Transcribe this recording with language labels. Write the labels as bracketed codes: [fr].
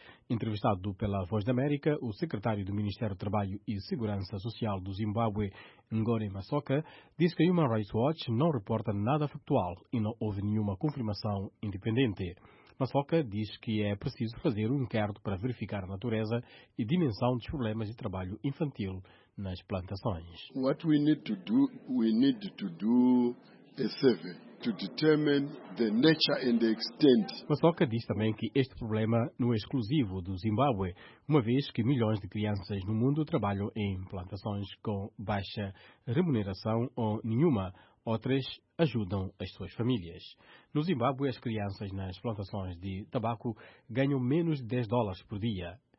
[pt] Entrevistado pela Voz da América, o secretário do Ministério do Trabalho e Segurança Social do Zimbábue, Ngore Masoka, disse que a Human Rights Watch não reporta nada factual e não houve nenhuma confirmação independente. Masoka diz que é preciso fazer um inquérito para verificar a natureza e dimensão dos problemas de trabalho infantil nas plantações. [en] What we need to do a survey to determine the nature and the extent. [pt] Masoka diz também que este problema não é exclusivo do Zimbábue, uma vez que milhões de crianças no mundo trabalham em plantações com baixa remuneração ou nenhuma. Outras ajudam as suas famílias. No Zimbábue, as crianças nas plantações de tabaco ganham menos de 10 dólares por dia.